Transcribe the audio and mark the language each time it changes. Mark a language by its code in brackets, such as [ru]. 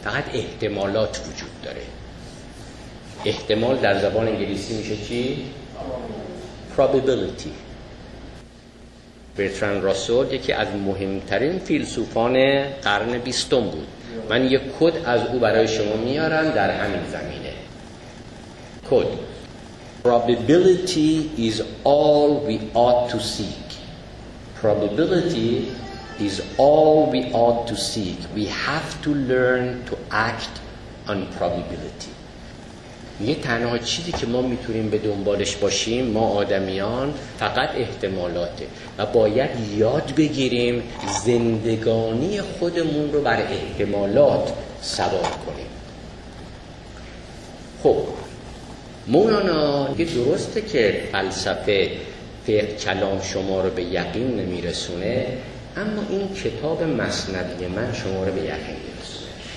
[fa] فقط احتمالات وجود داره. احتمال در زبان انگلیسی میشه چی؟ probability. برتراند راسل یکی از مهمترین فیلسوفان قرن بیستم بود. من یک کد از او برای شما میارم در همین زمینه. [en] کد: probability is all we ought to seek. Probability is all we ought to seek. We have to learn to act on probability. [fa] یه تنها چیزی که ما میتونیم به دنبالش باشیم ما آدمیان فقط احتمالاته، و باید یاد بگیریم زندگانی خودمون رو بر احتمالات سوار کنیم. خب مولانا یه درسته که فلسفه، فقه، کلام شما رو به یقین نمیرسونه، اما این کتاب مسندی من شما رو به یقین میرسونه.